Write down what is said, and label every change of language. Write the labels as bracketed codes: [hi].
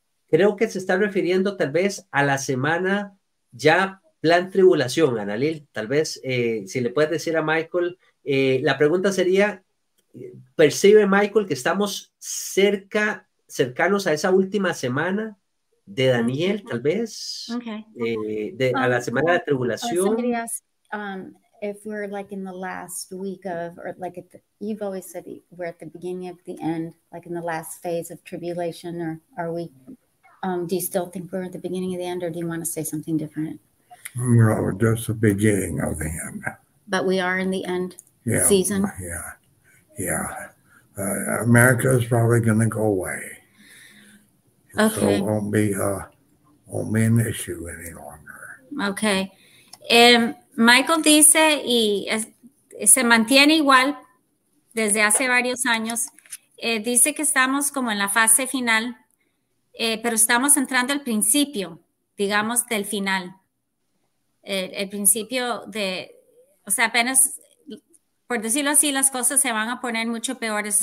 [es] Creo que se está refiriendo tal vez a la semana ya plan tribulación, Analil. Tal vez, si le puedes decir a Michael, la pregunta sería, ¿percibe Michael que estamos cercanos a esa última semana de Daniel, tal vez? A la semana de la tribulación. [en] Somebody asked if we're like in the last week of, or like at the, you've always said we're at the beginning of the end, like in the last phase of tribulation, or are we... do you still think we're at the beginning of the end, or do you want to say something different? No, just the beginning of the end. But we are in the end season? Yeah, yeah. America is probably going to go away. Okay. So it won't be an issue any longer. Okay. [es] Michael dice, y se mantiene igual desde hace varios años, dice que estamos como en la fase final. Pero estamos entrando al principio, digamos, del final. El principio de, o sea, apenas, por decirlo así, las cosas se van a poner mucho peores.